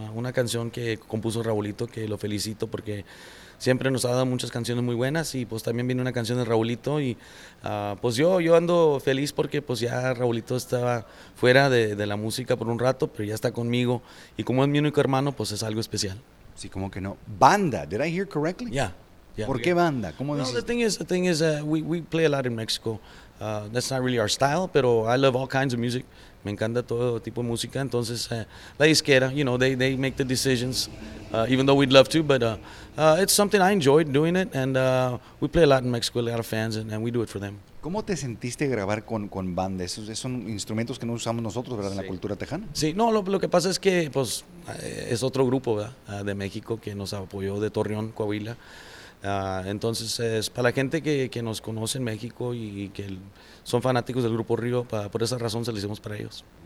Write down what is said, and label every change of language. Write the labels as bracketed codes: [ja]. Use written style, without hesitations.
[es] Una canción que compuso Raulito, que lo felicito porque siempre nos ha dado muchas canciones muy buenas y pues también viene una canción de Raulito y pues yo ando feliz porque pues ya Raulito estaba fuera de la música por un rato, pero ya está conmigo y como es mi único hermano, pues es algo especial. Sí, como que no. Banda, [en] did I hear correctly? Yeah. Yeah, [es] ¿por qué banda? ¿Cómo no, dices? [en] The thing is we play a lot in Mexico. That's not really our style, pero I love all kinds of music. [es] Me encanta todo tipo de música. Entonces, la disquera, [en] you know, they make the decisions, even though we'd love to, but it's something I enjoyed doing it, and we play a lot in Mexico, a lot of fans, and we do it for them. [es] ¿Cómo te sentiste grabar con banda? Esos son instrumentos que no usamos nosotros, ¿verdad? Sí. En la cultura tejana. Sí, no, lo que pasa es que, pues, es otro grupo, ¿verdad? De México que nos apoyó, de Torreón, Coahuila. Entonces, es para la gente que nos conoce en México y que son fanáticos del Grupo Río, por esa razón se lo hicimos para ellos.